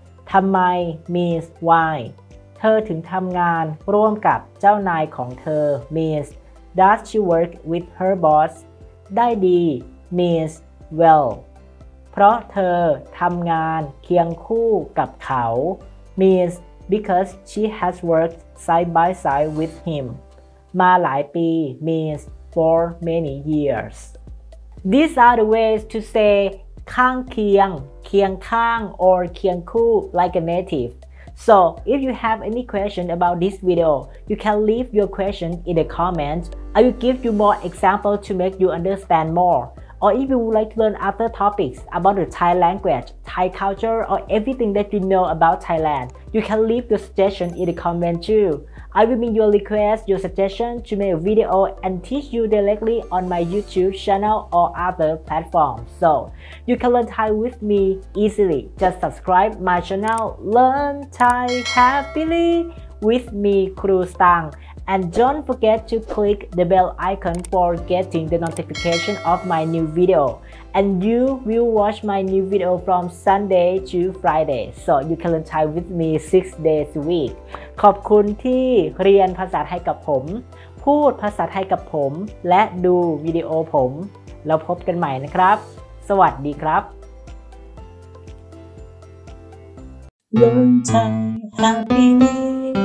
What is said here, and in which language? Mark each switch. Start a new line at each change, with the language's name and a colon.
Thai: ทำไม
English: means why
Thai: เธอถึงทำงานร่วมกับเจ้านายของเธอ
English: means does she work with her boss
Thai: ได้ดี
English: meansWell,
Thai: เพราะเธอทำงานเคียงคู่กับเขา
English: means because she has worked side by side with him
Thai: มาหลายปี
English: means for many years. These are the ways to say ข้างเคียงเคียงข้าง or เคียงคู่ like a native. So if you have any question about this video, you can leave your question in the comments. I will give you more example to make you understand more. Or if you would like to learn other topics about the Thai language, Thai culture, or everything that you know about Thailand, you can leave your suggestion in the comment too. I will be your request, your suggestion to make a video and teach you directly on my YouTube channel or other platforms. So you can learn Thai with me easily. Just subscribe my channel, Learn Thai Happily with me, Kru Stang. And don't forget to click the bell icon for getting the notification of my new video. And you will watch my new video from Sunday to Friday. So you can learn Thai with me 6 days a week.
Thai: ขอบคุณที่เรียนภาษาไทยกับผมพูดภาษาไทยกับผมและดูวิดีโอผมแล้วพบกันใหม่นะครับสวัสดีครับ Learn Thai Happily